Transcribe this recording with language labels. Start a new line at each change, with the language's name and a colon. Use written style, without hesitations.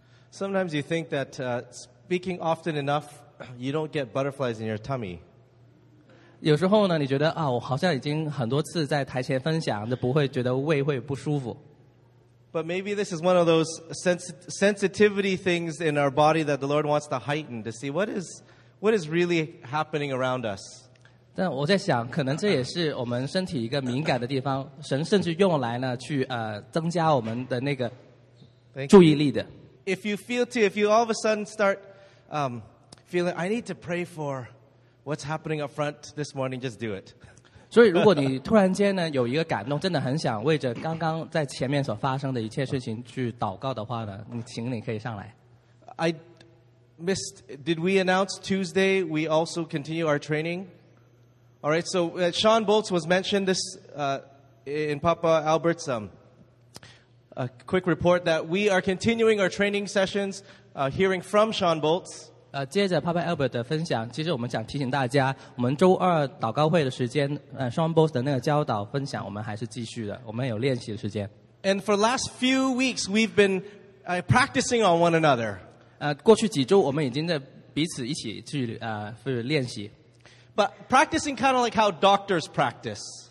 English: Sometimes you think that speaking often enough, you don't get butterflies in your tummy.
Chinese: 有时候呢，你觉得啊，我好像已经很多次在台前分享，就不会觉得胃会不舒服。
English: But maybe this is one of those sensitivity things in our body that the Lord wants to heighten to see what is really happening around us.
Chinese: 但我在想，可能这也是我们身体一个敏感的地方，神甚至用来呢去增加我们的那个注意力的。
English: If you feel too, if you all of a sudden start feeling, I need to pray for what's happening up front this morning, just do it.
Chinese: 所以如果你突然间呢有一个感动，真的很想为着刚刚在前面所发生的一切事情去祷告的话呢，你请你可以上来。
English: I missed, did we announce Tuesday, we also continue our training? All right, so Sean Bolts was mentioned this in Papa Albert's quick report that we are continuing our training sessions, hearing from Sean Bolts.
Chinese: 接着 Papa Albert 的分享，其实我们想提醒大家，我们周二祷告会的时间，Sean Bolts 的那个教导分享，我们还是继续的，我们有练习的时间。
English: And for the last few weeks, we've been practicing on one another.
Chinese: 过去几周，我们已经在彼此一起去练习。
English: But practicing kind of like how doctors practice.